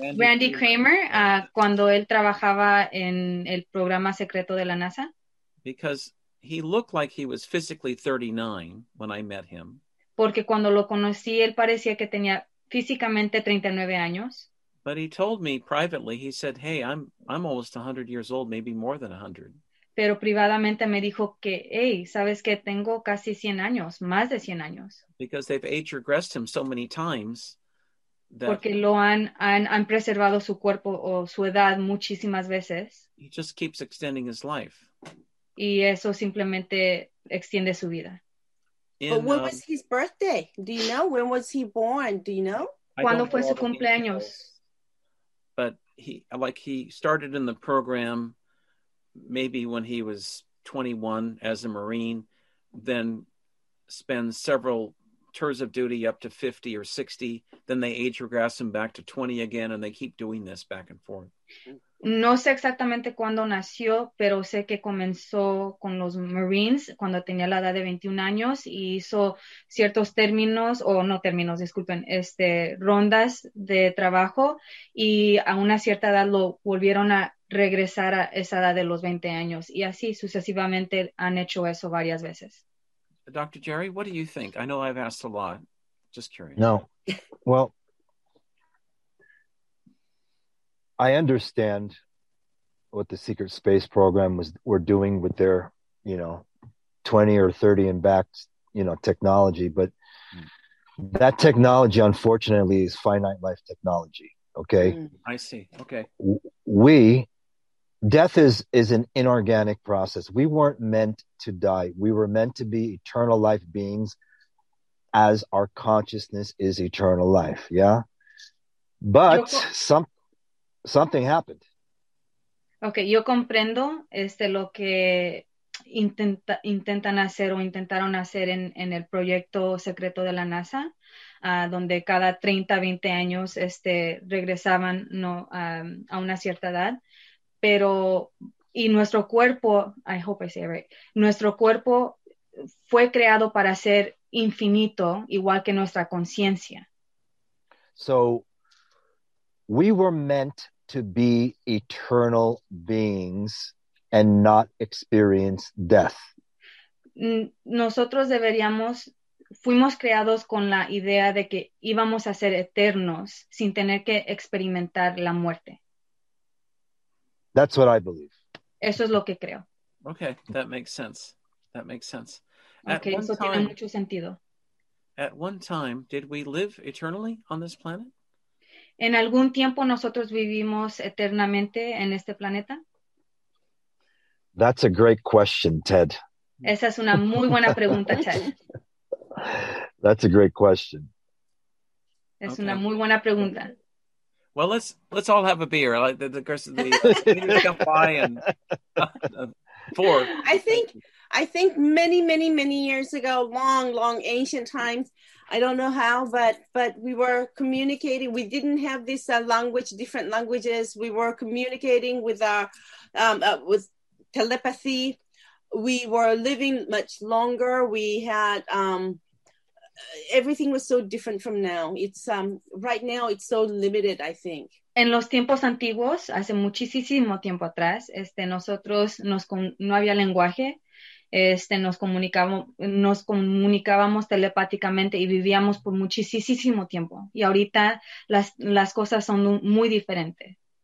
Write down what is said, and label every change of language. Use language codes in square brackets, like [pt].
[es] Randy Kramer, cuando él trabajaba en el programa secreto de la NASA. [en] Because he looked like he was physically 39 when I met him. [es] Porque cuando lo conocí, él parecía que tenía físicamente 39 años. [en] But he told me privately, he said, hey, I'm almost 100 years old, maybe more than 100. [es] Pero privadamente me dijo que, hey, ¿sabes que tengo casi 100 años, más de 100 años? [en] Because they've age regressed him so many times. That [es] porque lo han preservado su cuerpo o su edad muchísimas veces. [en] He just keeps extending his life. [es] Y eso simplemente extiende su vida. [en] But when was his birthday? Do you know? When was he born? Do you know? [es] ¿Cuándo fue su cumpleaños? [en] But he started in the program maybe when he was 21 as a Marine, then spends several tours of duty up to 50 or 60, then they age regress him back to 20 again, and they keep doing this back and forth. [es] No sé exactamente cuándo nació, pero sé que comenzó con los Marines cuando tenía la edad de 21 años y hizo ciertos términos, o no términos, disculpen, rondas de trabajo, y a una cierta edad lo volvieron a regresar a esa edad de los 20 años. Y así sucesivamente han hecho eso varias veces. [en] Dr. Jerry, what do you think? I know I've asked a lot. Just curious. No. Well, I understand what the Secret Space Program were doing with their, 20 or 30 and back, technology. But that technology, unfortunately, is finite life technology. Okay. I see. Okay. Death is an inorganic process. We weren't meant to die. We were meant to be eternal life beings as our consciousness is eternal life. Yeah. But something happened. [es] Okay, yo comprendo lo que intentan hacer o intentaron hacer en el proyecto secreto de la NASA, donde cada 30, 20 años regresaban a una cierta edad, pero y nuestro cuerpo, [en] I hope I say it right, [es] nuestro cuerpo fue creado para ser infinito, igual que nuestra conciencia. [en] So we were meant to be eternal beings and not experience death. [es] Nosotros deberíamos, fuimos creados con la idea de que íbamos a ser eternos sin tener que experimentar la muerte. [en] That's what I believe. [es] Eso es lo que creo. [en] Okay, that makes sense. That makes sense. [es] Okay, eso tiene mucho sentido. [en] At one time, did we live eternally on this planet? [es] ¿En algún tiempo nosotros vivimos eternamente en este planeta? [en] That's a great question, Ted. [es] Esa es una muy buena pregunta, Ted. [en] That's a great question. [es] Es okay. Una muy buena pregunta. [en] Well, let's all have a beer. Like the course of the leaders come by and four. I think many, many, many years ago, long, long ancient times, I don't know how, but we were communicating. We didn't have this language, different languages. We were communicating with our with telepathy. We were living much longer. We had everything was so different from now. It's right now it's so limited, I think. [es] En los tiempos antiguos, hace muchísimo tiempo atrás, nosotros no había lenguaje, nos comunicábamos telepáticamente y vivíamos por muchísimo tiempo. Y ahorita las cosas son muy diferentes.